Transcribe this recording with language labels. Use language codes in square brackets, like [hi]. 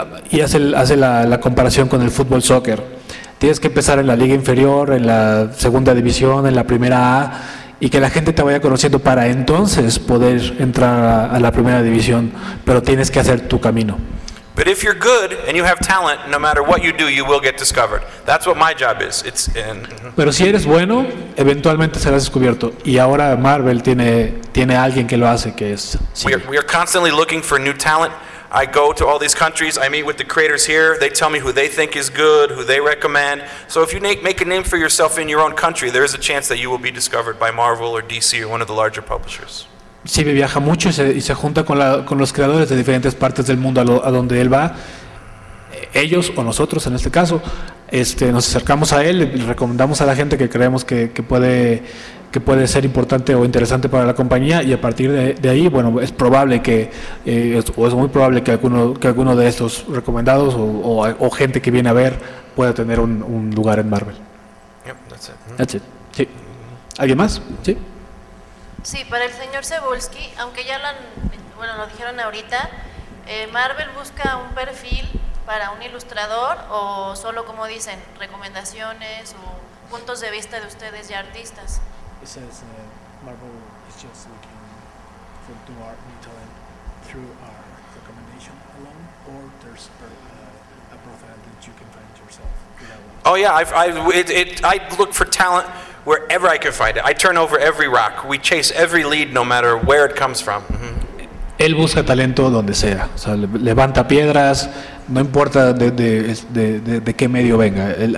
[es] Y hace la comparación con el fútbol soccer. Tienes que empezar en la liga inferior, en la segunda división, en la primera A, y que la gente te vaya conociendo para entonces poder entrar a la primera división, pero tienes que hacer tu camino. [en] But if you're good and you have talent, no matter what you do, you will get discovered. That's what my job is. It's in. [es] Pero si eres bueno, eventualmente serás descubierto. Y ahora Marvel tiene alguien que lo hace, que es. [en] We are constantly looking for new talent. I go to all these countries. I meet with the creators here. They tell me who they think is good, who they recommend. So if you make a name for yourself in your own country, there is a chance that you will be discovered by Marvel or DC or one of the larger publishers. [es] Sí, viaja mucho y se junta con los creadores de diferentes partes del mundo a donde él va. Ellos o nosotros, en este caso, nos acercamos a él, le recomendamos a la gente que creemos que puede ser importante o interesante para la compañía, y a partir de ahí, bueno, es probable que alguno de estos recomendados o gente que viene a ver pueda tener un lugar en Marvel. [en] Yep, that's it. That's it. [es] Sí. ¿Alguien más? Sí. Sí, para el señor Cebulski, aunque ya lo dijeron ahorita, ¿Marvel busca un perfil para un ilustrador o solo, como dicen, recomendaciones o puntos de vista de ustedes ya artistas? [en] It says Marvel is just looking for new art, new talent through our recommendation alone, or there's a profile that you can find yourself. Oh yeah, I look for talent wherever I can find it. I turn over every rock. We chase every lead no matter where it comes from. [es] Él busca talento donde sea. O sea, levanta piedras, no importa de qué medio venga.